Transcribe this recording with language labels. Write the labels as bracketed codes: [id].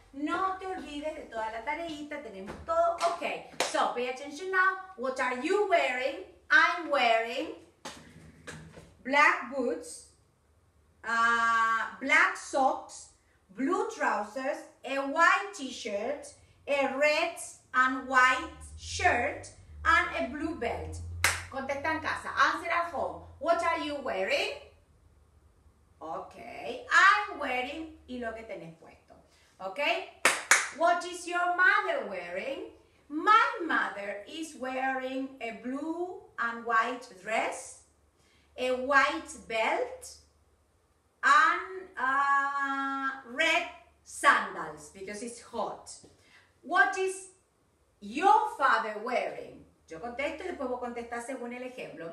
[es] No te olvides de toda la tareita, tenemos todo. [en] Ok, so pay attention now. What are you wearing? I'm wearing black boots, black socks, blue trousers, a white t-shirt, a red and white shirt, and a blue belt. [es] Contesta en casa. [en] Answer at home. What are you wearing? [es] Okay, [en] I'm wearing, [es] y lo que tenés puesto. [en] Okay, what is your mother wearing? My mother is wearing a blue and white dress, a white belt, and red sandals, because it's hot. What is your father wearing? [es] Yo contesto y después voy a contestar según el ejemplo.